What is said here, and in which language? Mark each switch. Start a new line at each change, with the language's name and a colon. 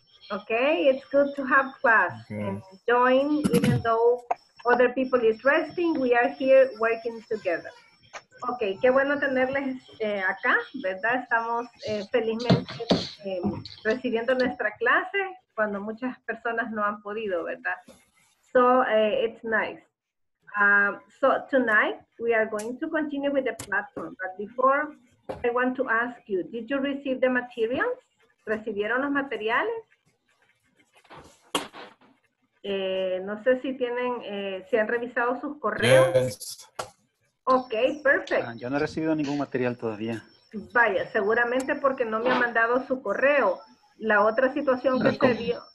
English: Okay, it's good to have class and join, even though other people is resting, we are here working together.
Spanish: Okay, qué bueno tenerles acá, ¿verdad? Estamos felizmente recibiendo nuestra clase cuando muchas personas no han podido, ¿verdad?
English: So, it's nice. So, tonight we are going to continue with the platform, but before I want to ask you, did you receive the materials?
Spanish: ¿Recibieron los materiales? No sé si tienen, si han revisado sus correos.
English: Yes. Ok, perfect.
Spanish: Yo no he recibido ningún material todavía. Vaya, seguramente porque no me ha mandado su correo. La otra situación que se dio,